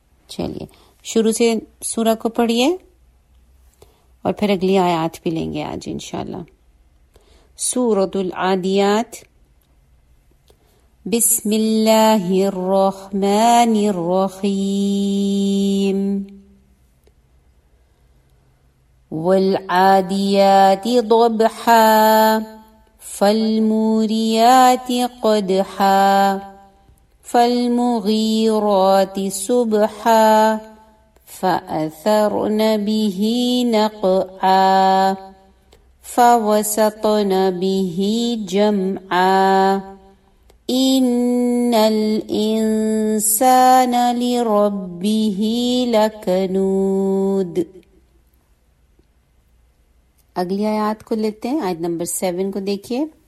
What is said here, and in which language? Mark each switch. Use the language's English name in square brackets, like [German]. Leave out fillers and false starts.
[Hindi] चलिए शुरू से सूरा को पढ़िए और फिर अगली आयात भी लेंगे आज इंशाल्लाह। सूरतुल आदियात, बिस्मिल्लाहिर्रहमानिर्रहीम। [Arabic] वल्आदियाति ضبحा فالموريات قدحا فالمغيرات صبحا فأثرن به نقعا فوسطن به جمعا إن الإنسان لربه لكنود। [Hindi] अगली आयात को लेते हैं, आयत नंबर 7 को देखिए।